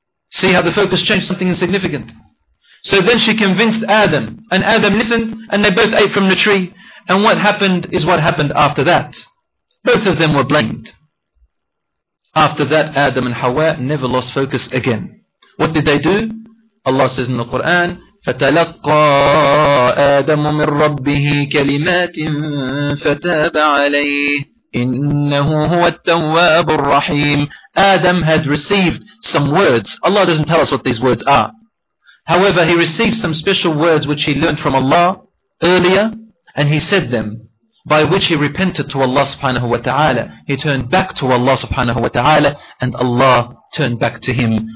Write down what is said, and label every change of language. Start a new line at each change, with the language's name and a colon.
English: See how the focus changed something insignificant. So then she convinced Adam, and Adam listened, and they both ate from the tree. And what happened is what happened after that. Both of them were blamed. After that, Adam and Hawa never lost focus again. What did they do? Allah says in the Quran,
Arabic: فَتَلَقَّى آدَمُ مِنْ رَبِّهِ كَلِمَاتٍ فَتَابَ عَلَيْهِ إِنَّهُ هُوَ التَّوَّابُ الرَّحِيمُ.
English: Adam had received some words. Allah doesn't tell us what these words are. However, he received some special words which he learned from Allah earlier, and he said them, by which he repented to Allah subhanahu wa ta'ala. He turned back to Allah subhanahu wa ta'ala, and Allah turned back to him.